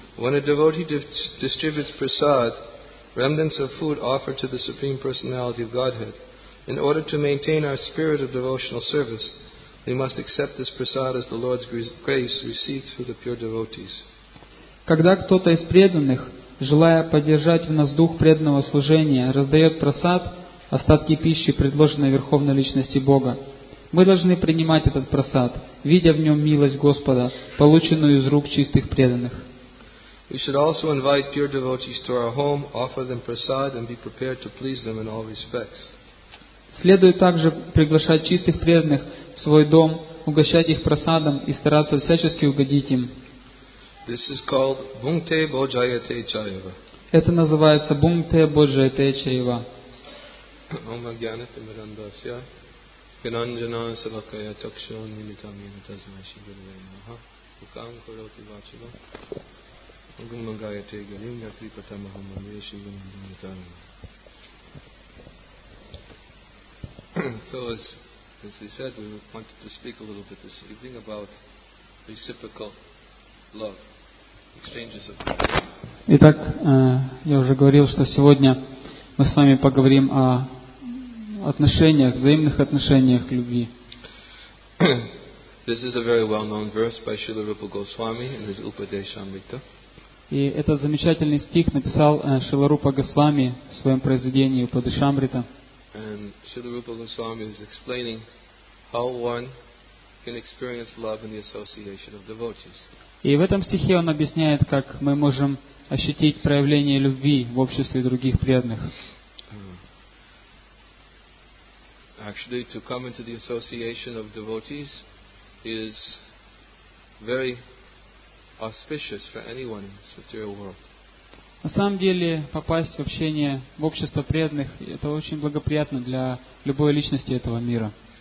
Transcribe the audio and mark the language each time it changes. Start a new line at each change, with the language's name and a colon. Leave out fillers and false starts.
English: When a devotee distributes prasad, remnants of food offered to the Supreme Personality of Godhead, In order to maintain our spirit of devotional service, we must accept this prasad as the Lord's grace received through the pure devotees.
Russian: Когда кто-то из преданных, желая поддержать в нас дух преданного служения, раздает прасад, остатки пищи, предложенной Верховной Личности Бога, мы должны принимать этот прасад, видя в нем милость Господа, полученную из рук чистых преданных.
English: We should also invite pure devotees to our home, offer them prasad, and be prepared to please them in all respects.
Russian: Следует также приглашать чистых преданных в свой дом, угощать их прасадом и стараться всячески угодить им.
English: This is called Bhungte Bhojayate Chayava.
Russian: Это называется Bhungte Bhojayate Chayava.
Sanskrit: Om Agyanate Mirandasya Piranjana Savakaya Chakshu Nimitam Yimitasmai Shigurvay Maha Ukaam Kuroti Vachava Ugum Magayate Galim Yatripata Mahamandaya Shigurvay Maha.
English: So as we said, we wanted to speak a little bit this evening about reciprocal love, exchanges of love.
Russian: Итак, я уже говорил, что сегодня мы с вами поговорим о отношениях, взаимных отношениях к любви.
English: This is a very well-known verse by Srila Rupa Goswami in his Upadeshamrita.
Russian: И этот замечательный стих написал Шрила Рупа Госвами в своем произведении Упадешамрита.
English: And Srila Rupa Goswami is explaining how one can experience love in the association of devotees.
Russian: И в этом стихе он объясняет, как мы можем ощутить проявление любви в обществе других преданных.
English: Actually, to come into the association of devotees is very auspicious for anyone in this material world.
Russian: На самом деле, попасть в общение, в общество преданных, это очень благоприятно для любой личности этого мира.